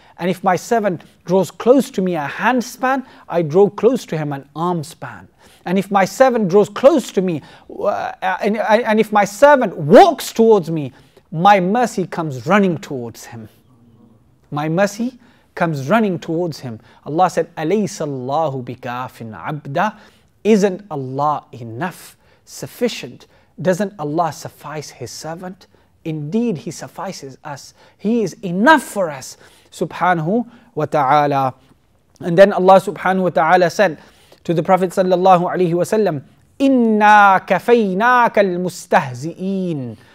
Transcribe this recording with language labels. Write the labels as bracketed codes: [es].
[en] And if my servant draws close to me a hand span, I draw close to him an arm span. And if my servant draws close to me, and if my servant walks towards me, my mercy comes running towards him. My mercy comes running towards him. Allah said, [ar] أَلَيْسَ اللَّهُ بِكَافٍ عَبْدًا. [en] Isn't Allah enough, sufficient? Doesn't Allah suffice his servant? Indeed, he suffices us. He is enough for us. Subhanahu wa ta'ala. And then Allah subhanahu wa ta'ala said to the Prophet sallallahu alayhi wa sallam, [ar] inna kafaynaka al-mustahzi'een.